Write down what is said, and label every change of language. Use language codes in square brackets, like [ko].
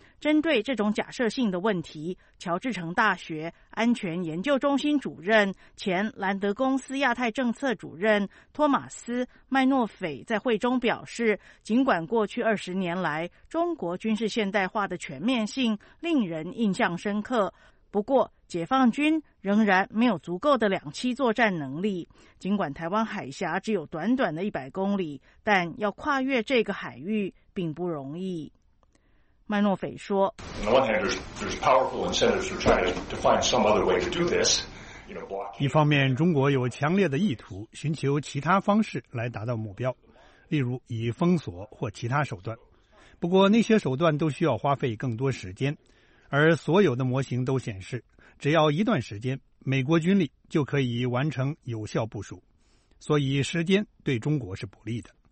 [zh] 针对这种假设性的问题，乔治城大学安全研究中心主任、前兰德公司亚太政策主任托马斯·麦诺斐在会中表示，尽管过去20年来，中国军事现代化的全面性令人印象深刻，不过解放军仍然没有足够的两栖作战能力。尽管台湾海峡只有短短的100公里，但要跨越这个海域并不容易。麦诺斐说， [en] On the one hand, there's powerful incentives for China to find some other way to do this. [zh] 一方面，中国有强烈的意图寻求其他方式来达到目标，例如以封锁或其他手段。不过那些手段都需要花费更多时间，而所有的模型都显示，只要一段时间，美国军力就可以完成有效部署，所以时间对中国是不利的。